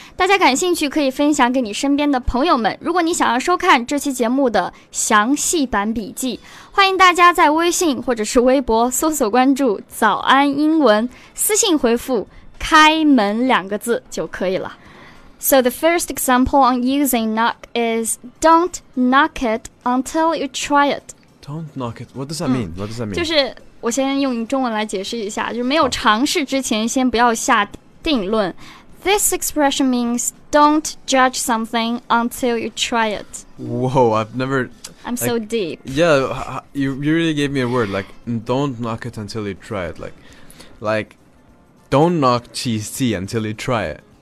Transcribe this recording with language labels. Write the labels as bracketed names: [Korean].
[Chinese] 大家感兴趣可以分享给你身边的朋友们。如果你想要收看这期节目的详细版笔记，欢迎大家在微信或者是微博搜索关注“早安英文”，私信回复。开门两个字就可以了。 [English] So the first example on using knock is don't knock it until you try it. Don't knock it. What does that mean? What does that mean? [Chinese] 就是我先用中文来解释一下，就是没有尝试之前先不要下定论。 [English] This expression means don't judge something until you try it. Whoa, I've never... I'm so deep. Yeah, you really gave me a word, like don't knock it until you try it. Like... Don't knock cheese tea until you try it.